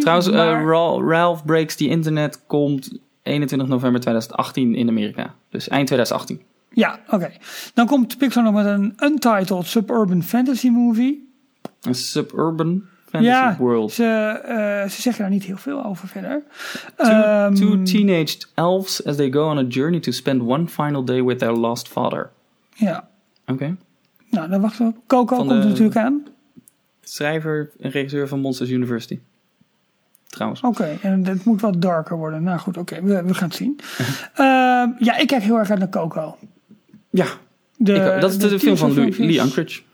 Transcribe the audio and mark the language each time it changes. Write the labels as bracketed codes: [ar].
[nl] Trouwens, Ralph Breaks the Internet komt 21 november 2018 in Amerika. Dus eind 2018. Ja, oké. [en] Okay. [nl] Dan komt Pixar nog met een [en] untitled suburban fantasy movie. [nl] Een [en] suburban fantasy world. [nl] Ja, ze zeggen daar niet heel veel over verder. [en] Two teenaged elves as they go on a journey to spend one final day with their lost father. [nl] Ja. Oké. [en] Okay. [nl] Nou, dan wachten we op. Coco komt natuurlijk aan. Schrijver en regisseur van Monsters University. Trouwens. Oké, en het moet wat darker worden. Nou goed, oké, we gaan het zien. ik kijk heel erg uit naar Coco. Ja, dat is de film van Lee Unkrich.